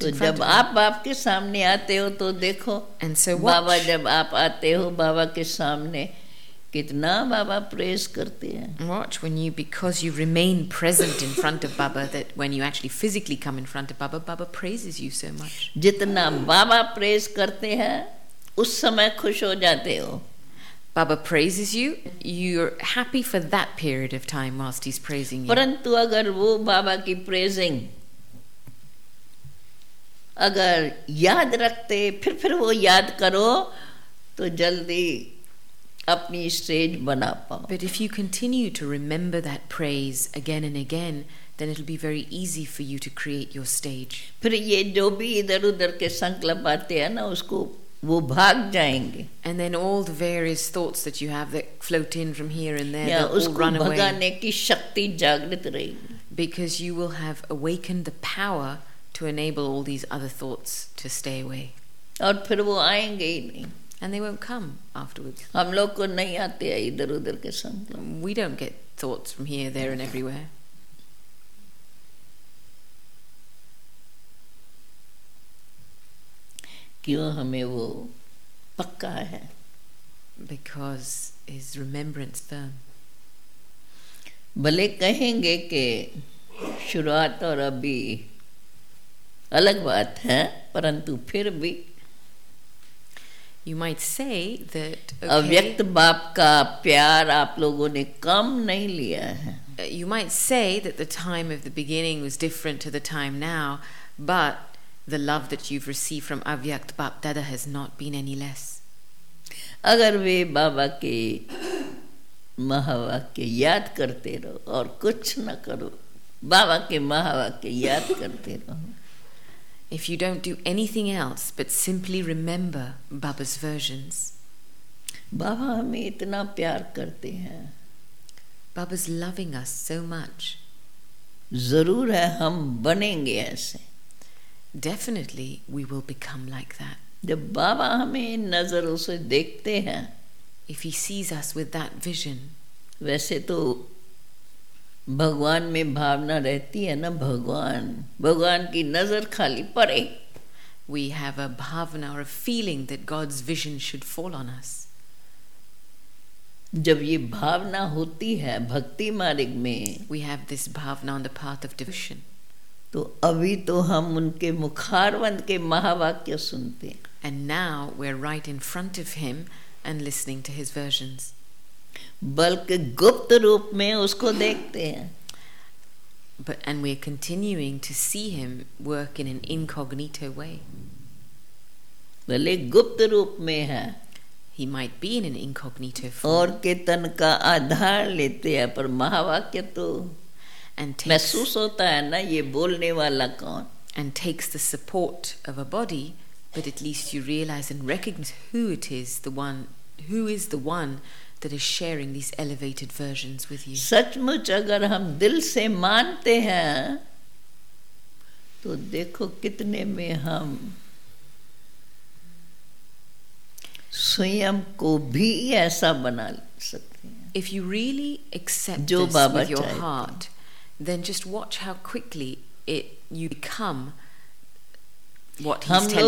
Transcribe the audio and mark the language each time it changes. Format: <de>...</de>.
<hi>तो जब आप बाप के सामने आते हो तो देखो</hi> <en>and so watch.</en> <hi>बाबा जब आप आते हो बाबा के सामने कितना बाबा प्रेज करते हैं</hi> <en>watch when you because you remain present in front of Baba that when you actually physically come in front of Baba Baba praises you so much</en> <hi>जितना बाबा प्रेज करते हैं उस समय खुश हो जाते हो</hi> <en>Baba praises you, you're happy for that period of time whilst he's praising you.</en> <hi>परंतु अगर वो बाबा की praising अगर याद रखते फिर वो याद करो तो जल्दी अपनी stage बना पाओ.</hi> <en>But if you continue to remember that praise again and again, then it'll be very easy for you to create your stage.</en> <hi>फिर ये जो भी इधर उधर के संकल्प आते हैं ना उसको वो भाग जाएंगे</hi> <en>and then all the various thoughts that you have that float in from here and there</en> <hi>उसको</hi> <en>run away</en> <hi>भगाने की शक्ति जागृत रहेगी</hi> <en>because you will have awakened the power to enable all these other thoughts to stay away</en> <hi>और फिर वो आएंगे ही नहीं</hi> <en>and they won't come afterwards</en> <hi>हम लोग को नहीं आते हैं इधर उधर के संकल्प</hi> <en>we don't get thoughts from here there and everywhere</en> <hi>क्यों हमें वो पक्का है</hi> <en>because his remembrance firm</en> <hi>भले कहेंगे कि शुरुआत और अभी अलग बात है परंतु फिर भी</hi> <en>you might say that</en> <hi>अव्यक्त बाप का प्यार आप लोगों ने कम नहीं लिया है</hi> <en>you might say that the time of the beginning was different to the time now but The love that you've received from Avyakt Bap Dada has not been any less.</en> <hi>अगर वे बाबा के महावाक्य याद करते रहो और कुछ न करो बाबा के महावाक्य याद करते रहो.</hi> <en>If you don't do anything else but simply remember Baba's versions.</en> <hi>बाबा हमें इतना प्यार करते हैं.</hi> <en>Baba's loving us so much.</en> <hi>जरूर है हम बनेंगे ऐसे.</hi> <en>Definitely, we will become like that.</en> <hi>जब बाबा हमें नजरों से देखते हैं,</hi> <en>if he sees us with that vision,</en> <hi>वैसे तो भगवान में भावना रहती है ना भगवान, भगवान की नजर खाली पड़े,</hi> <en>we have a bhavana or a feeling that God's vision should fall on us.</en> <hi>जब ये भावना होती है भक्ति मार्ग में,</hi> <en>we have this bhavana on the path of devotion.</en> <hi>तो अभी तो हम उनके मुखारवंद के महावाक्य सुनते हैं</hi> <en>and now we're right in front of him and listening to his versions</en> <hi>बल्कि गुप्त रूप में उसको देखते हैं</hi> <en>but and we're continuing to see him work in an incognito way</en> <hi>भले गुप्त रूप में है</hi> <en>he might be in an incognito form</en> <hi>और केतन का आधार लेते हैं पर महावाक्य तो</hi> <en>And takes,</en> <hi>महसूस होता है ना ये बोलने वाला कौन?</hi> <en>And takes the support of a body, but at least you realize and recognize who it is, the one who is the one that is sharing these elevated versions with you.</en> <hi>सचमुच अगर हम दिल से मानते हैं, तो देखो कितने में हम स्वयं को भी ऐसा बना सकते हैं.</hi> <en>If you really accept this with your heart. Then just watch how quickly it you become what he's telling you about.</en>